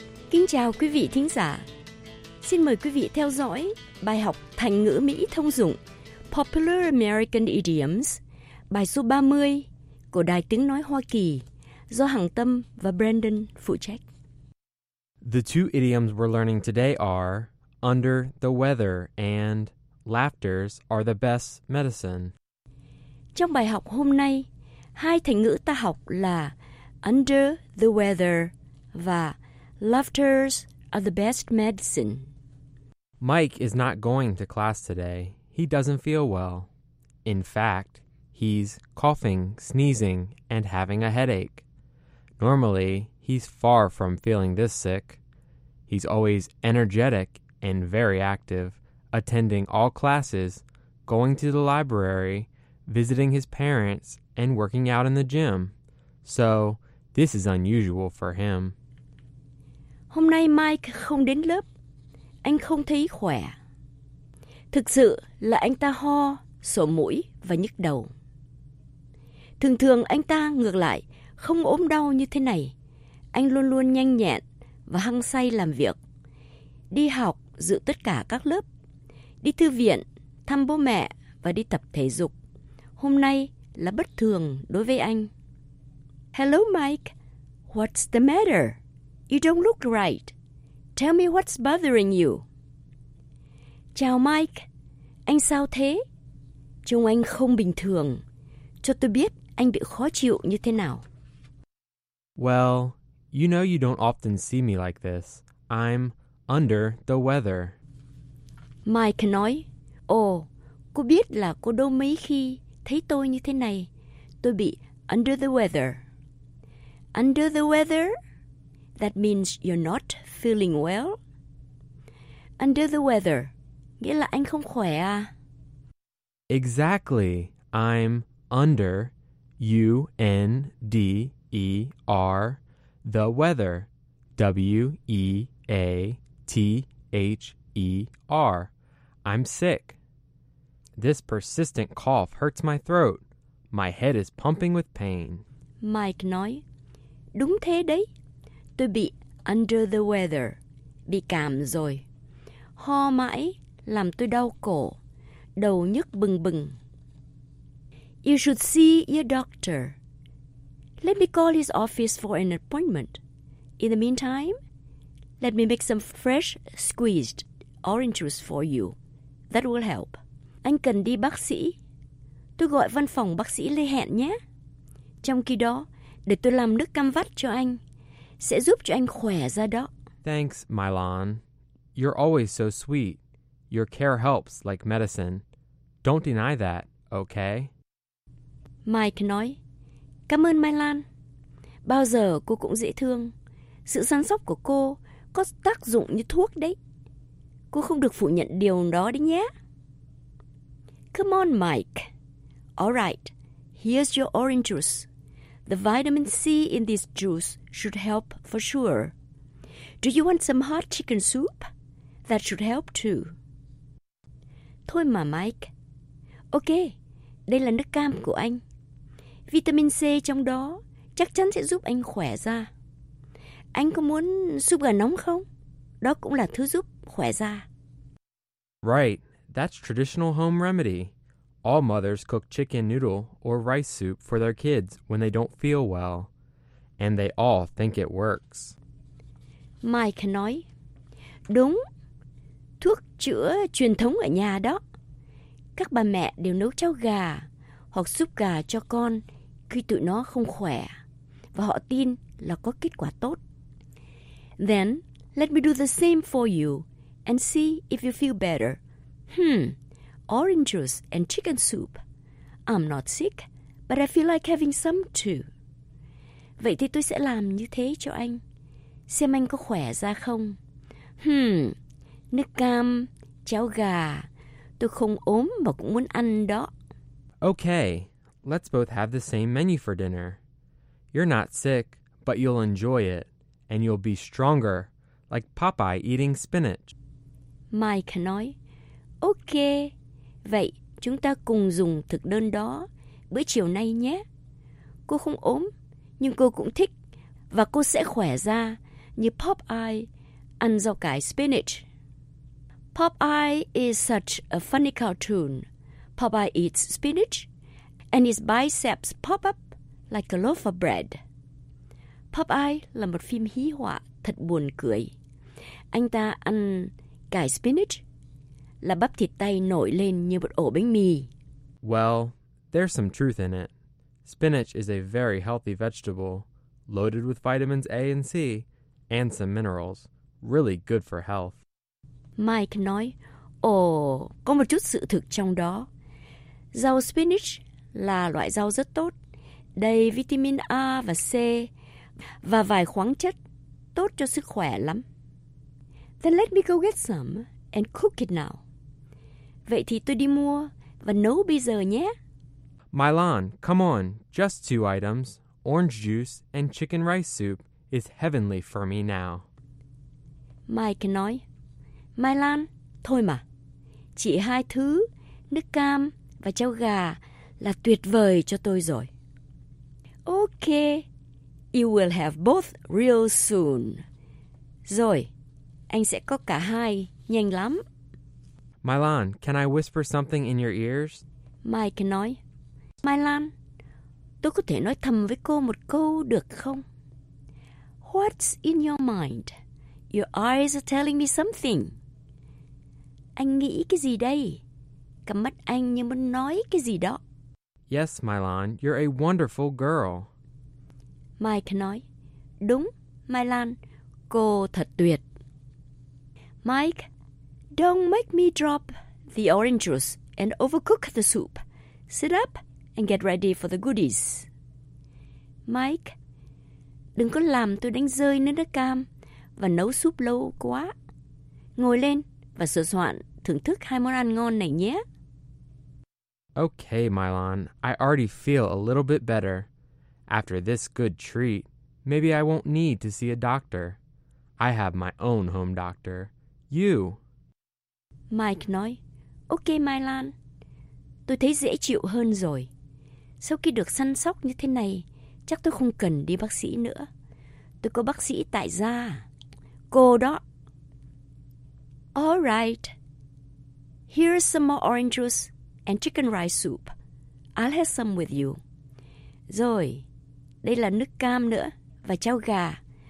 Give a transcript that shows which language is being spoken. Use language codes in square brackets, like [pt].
[vi] Kính chào quý vị thính giả. Xin mời quý vị theo dõi bài học thành ngữ Mỹ thông dụng Popular American Idioms, bài số 30 của Đài Tiếng Nói Hoa Kỳ do Hằng Tâm và Brandon phụ trách. [en] The two idioms we're learning today are under the weather and laughters are the best medicine. [vi] Trong bài học hôm nay, hai thành ngữ ta học là under the weather và laughters are the best medicine. [en] Mike is not going to class today. He doesn't feel well. In fact, he's coughing, sneezing, and having a headache. Normally, he's far from feeling this sick. He's always energetic and very active, attending all classes, going to the library, visiting his parents, and working out in the gym. So, this is unusual for him. [vi] Hôm nay Mike không đến lớp. Anh không thấy khỏe. Thực sự là anh ta ho, sổ mũi và nhức đầu. Thường thường anh ta ngược lại không ốm đau như thế này. Anh luôn luôn nhanh nhẹn và hăng say làm việc. Đi học, dự tất cả các lớp. Đi thư viện, thăm bố mẹ và đi tập thể dục. Hôm nay là bất thường đối với anh. [en] Hello Mike, what's the matter? You don't look right. Tell me what's bothering you. [vi] Chào Mike, anh sao thế? Trông anh không bình thường. Cho tôi biết anh bị khó chịu như thế nào. [en] Well, you know you don't often see me like this. I'm under the weather. [vi] Mike nói, cô biết là cô đâu mấy khi thấy tôi như thế này. Tôi bị under the weather. [en] Under the weather? That means you're not feeling well. Under the weather. [vi] Nghĩa là anh không khỏe à? [en] Exactly. I'm under, U-N-D-E-R, the weather, W-E-A-T-H-E-R. I'm sick. This persistent cough hurts my throat. My head is pumping with pain. [vi] Mike nói, đúng thế đấy. Tôi bị under the weather, bị cảm rồi. Ho mãi làm tôi đau cổ, đầu nhức bừng bừng. [en] You should see your doctor. Let me call his office for an appointment. In the meantime, let me make some fresh squeezed orange juice for you. That will help. [vi] Anh cần đi bác sĩ. Tôi gọi văn phòng bác sĩ Lê Hẹn nhé. Trong khi đó, để tôi làm nước cam vắt cho anh. Sẽ giúp cho anh khỏe ra đó. [en] Thanks, Mylon. You're always so sweet. Your care helps like medicine. Don't deny that, okay? [vi] Mike nói, cảm ơn Mylon. Bao giờ cô cũng dễ thương. Sự săn sóc của cô có tác dụng như thuốc đấy. Cô không được phủ nhận điều đó đấy nhé. [en] Come on, Mike. All right, here's your orange juice. The vitamin C in this juice should help for sure. Do you want some hot chicken soup? That should help too. [vi] Thôi mà Mike. Ok, đây là nước cam của anh. Vitamin C trong đó chắc chắn sẽ giúp anh khỏe ra. Anh có muốn súp gà nóng không? Đó cũng là thứ giúp khỏe ra. [en] Right, that's traditional home remedy. All mothers cook chicken noodle or rice soup for their kids when they don't feel well. And they all think it works. [vi] Mike nói, đúng, thuốc chữa truyền thống ở nhà đó. Các bà mẹ đều nấu cháo gà hoặc súp gà cho con khi tụi nó không khỏe. Và họ tin là có kết quả tốt. [en] Then, let me do the same for you and see if you feel better. Orange juice and chicken soup. I'm not sick, but I feel like having some too. [vi] Vậy thì tôi sẽ làm như thế cho anh. Xem anh có khỏe ra không. Nước cam, cháo gà. Tôi không ốm mà cũng muốn ăn đó. [en] Okay, let's both have the same menu for dinner. You're not sick, but you'll enjoy it. And you'll be stronger, like Popeye eating spinach. [vi] Mike nói, okay. Vậy, chúng ta cùng dùng thực đơn đó bữa chiều nay nhé. Cô không ốm, nhưng cô cũng thích và cô sẽ khỏe ra như Popeye ăn rau cải spinach. [en] Popeye is such a funny cartoon. Popeye eats spinach and his biceps pop up like a loaf of bread. [vi] Popeye là một phim hí họa thật buồn cười. Anh ta ăn cải spinach là bắp thịt tay nổi lên như một ổ bánh mì. [en] Well, there's some truth in it. Spinach is a very healthy vegetable, loaded with vitamins A and C, and some minerals. Really good for health. [vi] Mike nói, ồ, có một chút sự thực trong đó. Rau spinach là loại rau rất tốt, đầy vitamin A và C và vài khoáng chất, tốt cho sức khỏe lắm. [en] Then let me go get some and cook it now. [vi] Vậy thì tôi đi mua và nấu bây giờ nhé. [en] Mylon, come on, just two items, orange juice and chicken rice soup is heavenly for me now. [vi] Mike nói, Mylon, thôi mà, chỉ hai thứ, nước cam và cháo gà là tuyệt vời cho tôi rồi. [en] Okay, you will have both real soon. [vi] Rồi, anh sẽ có cả hai, nhanh lắm. [en] Mylon, can I whisper something in your ears? [vi] Mike nói, Mylon, tôi có thể nói thầm với cô một câu được không? [en] What's in your mind? Your eyes are telling me something. [vi] Anh nghĩ cái gì đây? Cặp mắt anh như muốn nói cái gì đó. [en] Yes, Mylon, you're a wonderful girl. [vi] Mike nói, đúng, Mylon, cô thật tuyệt. [en] Mike, don't make me drop the orange juice and overcook the soup. Sit up and get ready for the goodies. [vi] Mike, đừng có làm tôi đánh rơi nước cam và nấu súp lâu quá. Ngồi lên và sửa soạn thưởng thức hai món ăn ngon này nhé. [en] Okay, Mylon, I already feel a little bit better. After this good treat, maybe I won't need to see a doctor. I have my own home doctor. You. [vi] Mike nói, okay, Mylon, tôi thấy dễ chịu hơn rồi. Sau khi được săn sóc như thế này, chắc tôi không cần đi bác sĩ nữa. Tôi có bác sĩ tại gia. Cô đó. [en] All right. Here's some more orange juice and chicken rice soup. I'll have some with you. [vi] Rồi, đây là nước cam nữa và cháo gà.